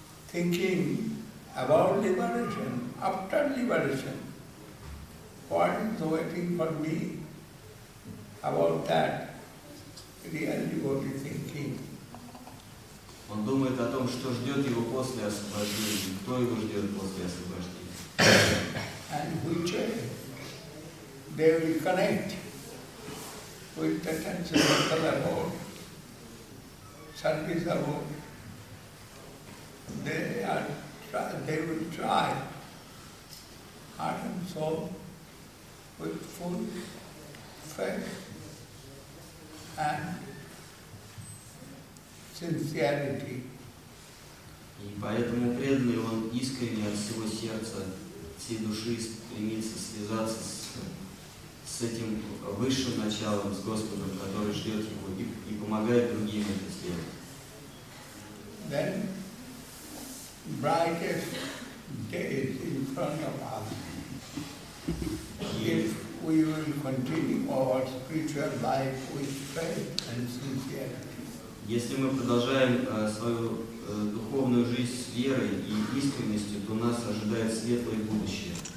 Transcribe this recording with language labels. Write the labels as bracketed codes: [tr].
[en] Thinking about liberation, after liberation. What is waiting for me about that? Real devotee thinking. [ru] Он думает о том, что ждет его после освобождения. Кто его ждет после освобождения? [en] And which way they will connect with the transcendental abode, service abode. They will try heart and soul. With full faith and sincerity. [ru] И поэтому преданный он искренне от всего сердца, всей души стремится связаться с этим высшим началом, с Господом, который ждет его и помогает другим это сделать. [en] Then brightest days in front of us. If we will continue our spiritual life with faith and sincerity. [ru] Если мы продолжаем свою духовную жизнь с верой и искренностью, то нас ожидает светлое будущее.